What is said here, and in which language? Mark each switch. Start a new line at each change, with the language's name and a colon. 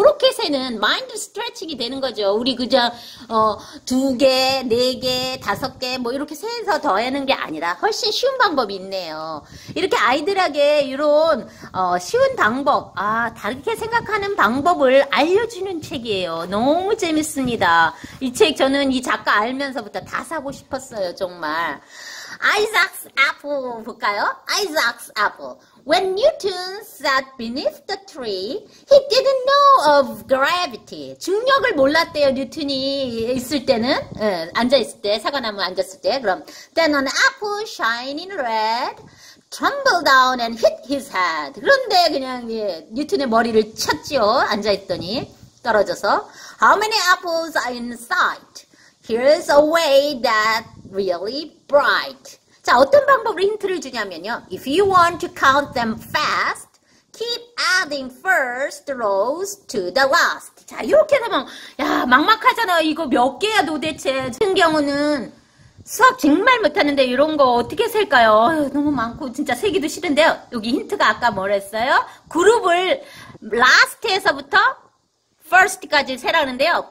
Korean: 그렇게 세는 마인드 스트레칭이 되는 거죠. 우리 그저 2개, 4개, 5개 뭐 이렇게 세서 더하는 게 아니라 훨씬 쉬운 방법이 있네요. 이렇게 아이들에게 이런 쉬운 방법, 다르게 생각하는 방법을 알려주는 책이에요. 너무 재밌습니다. 이책 저는 이 작가 알면서부터 다 사고 싶었어요, 정말. 아이삭스 애플 볼까요? 아이삭스 애플.
English: When Newton sat beneath the tree, he didn't know of gravity.
Korean: 중력을 몰랐대요, 뉴턴이 있을 때는. 앉아있을 때, 사과나무 앉았을 때.
English: 그럼, Then an apple shining red tumbled down and hit his head.
Korean: 그런데 그냥 뉴턴의 머리를 쳤지요. 앉아있더니 떨어져서.
English: How many apples are in sight? Here's a way that really bright.
Korean: 자, 어떤 방법으로 힌트를 주냐면요.
English: If you want to count them fast, keep adding first rows to the last.
Korean: 자, 이렇게 되면, 야, 막막하잖아. 이거 몇 개야 도대체. 같은 경우는 수학 정말 못하는데 이런 거 어떻게 셀까요? 너무 많고 진짜 세기도 싫은데요. 여기 힌트가 아까 뭐랬어요? 그룹을 라스트에서부터 퍼스트까지 세라는데요.